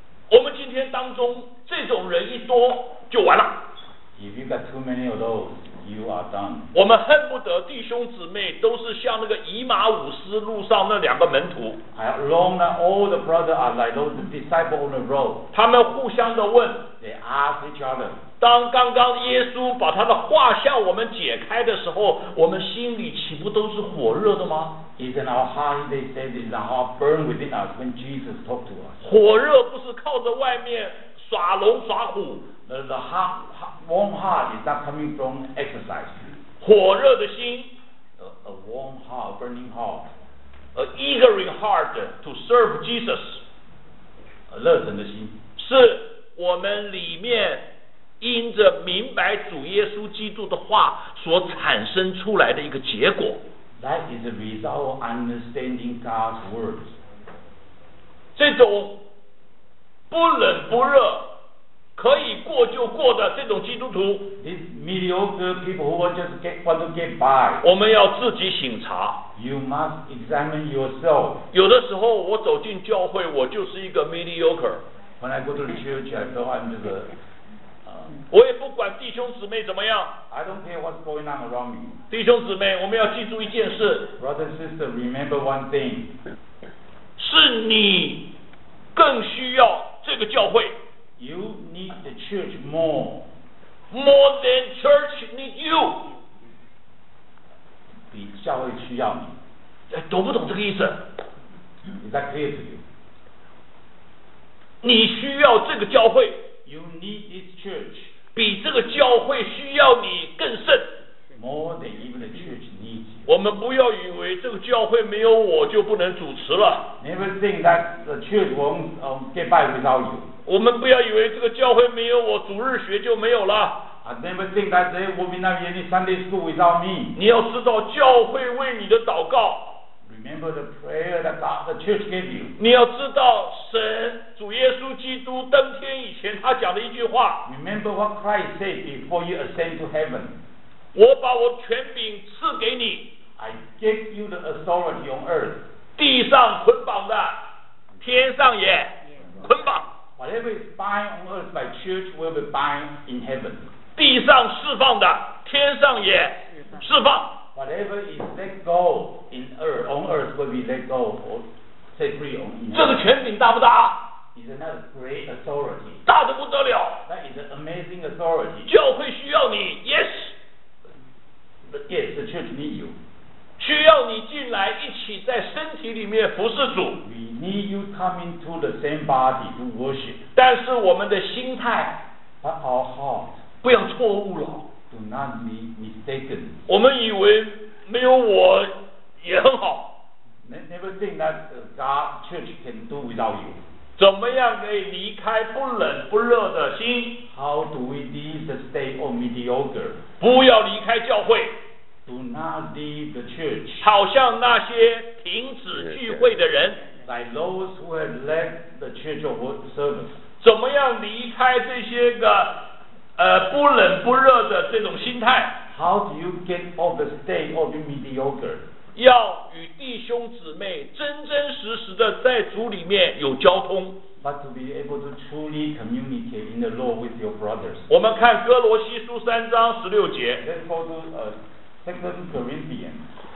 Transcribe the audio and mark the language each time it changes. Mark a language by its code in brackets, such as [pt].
[zh] 我们今天当中这种人一多就完了。 [en] If you got too many of those, you are done. [zh] 我们恨不得弟兄姊妹都是像那个以马忤斯路上那两个门徒。 [en] I long that all the brothers are like those disciples on the road. [zh] 他们互相的问。 [en] They ask each other. [zh] 当刚刚耶稣把他的话向我们解开的时候，我们心里岂不都是火热的吗？ [en] Isn't our heart, they said, is our heart burned within us when Jesus talked to us? [zh] 火热不是靠着外面耍龙耍虎。 [en] The heart, warm heart is not coming from exercise. [zh] 火热的心 [en] a warm heart, burning heart. A eagering heart to serve Jesus. [zh] 热忱的心是我们里面因着明白主耶稣基督的话所产生出来的一个结果。 [en] That is the result of understanding God's words. [zh] 这种不冷不热，可以过就过的这种基督徒。 [en] These mediocre people who just want to get by. [zh] 我们要自己省察。 [en] You must examine yourself. [zh] 有的时候我走进教会，我就是一个 mediocre. [en] When I go to the church, I know I'm just a [zh] 我也不管弟兄姊妹怎么样。 [en] I don't care what's going on around me. [zh] 弟兄姊妹，我们要记住一件事。 [en] Brother and sister, remember one thing. [zh] 是你更需要这个教会。 [en] You need the church more. More than church need you. [zh] 比教会需要你。懂不懂这个意思？ [en] Is that clear to you? [zh] 你需要这个教会。 [en] You need this church. [zh] 比这个教会需要你更甚。 [en] More than even the church needs you. [zh] 我们不要以为这个教会没有我就不能主持了。 [en] Never think that the church won't get by without you. [zh] 我们不要以为这个教会没有我主日学就没有了。 [en] I never think that there will be not any Sunday school without me. [zh] 你要知道教会为你的祷告。 [en] Remember the prayer that the church gave you. [zh] 你要知道神主耶稣基督登天以前他讲的一句话。 [en] Remember what Christ said before you ascend to heaven. [zh] 我把我权柄赐给你。 [en] I give you the authority on earth. [zh] 地上捆绑的，天上也捆绑。 [en] Whatever is bound on earth by church will be bound in heaven. [zh] 地上释放的，天上也释放。 [en] Whatever is let go in earth, on earth will be let go or set free on earth. [zh] 这个权柄大不大？ [en] Isn't that a great authority? [zh] 大得不得了。 [en] That is an amazing authority. [zh] 教会需要你 ，Yes. [en] Yes, the church need you. [zh] 需要你进来一起在身体里面服侍主。 [en] We need you come into the same body to worship. [zh] 但是我们的心态 [en] But our heart [zh] 不要错误了。 [en] Do not be mistaken. [zh] 我们以为没有我也很好。 [en] Never think that God church can do without you. [zh] 怎么样可以离开不冷不热的心？ [en] How do we leave the state of mediocre? [zh] 不要离开教会。 [en] Do not leave the church. [zh] 好像那些停止聚会的人。 [en] Like those who have left the church of service. [zh] 怎么样离开这些个不冷不热的这种心态？ [en] How do you get off the state of the mediocre? [zh] 要与弟兄姊妹真真实实的在主里面有交通。 [en] But to be able to truly communicate in the Lord with your brothers. [zh] 我们看哥罗西书三章十六节。 [en] Let's go to Second Corinthians.